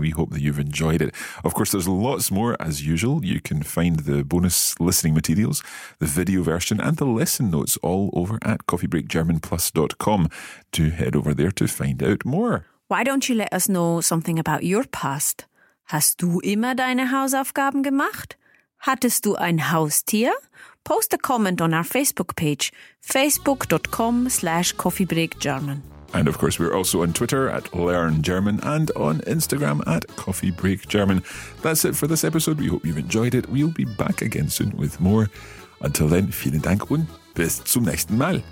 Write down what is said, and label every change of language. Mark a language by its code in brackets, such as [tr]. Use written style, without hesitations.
[en] We hope that you've enjoyed it. Of course, there's lots more as usual. You can find the bonus listening materials, the video version and the lesson notes all over at coffeebreakgermanplus.com. Do head over there to find out more. Why don't you let us know something about your past? [de] Hast du immer deine Hausaufgaben gemacht? Hattest du ein Haustier? [en] Post a comment on our Facebook page, facebook.com/coffeebreakgerman. And of course, we're also on Twitter at Learn German and on Instagram at Coffee Break German. That's it for this episode. We hope you've enjoyed it. We'll be back again soon with more. Until then, [de] vielen Dank und bis zum nächsten Mal.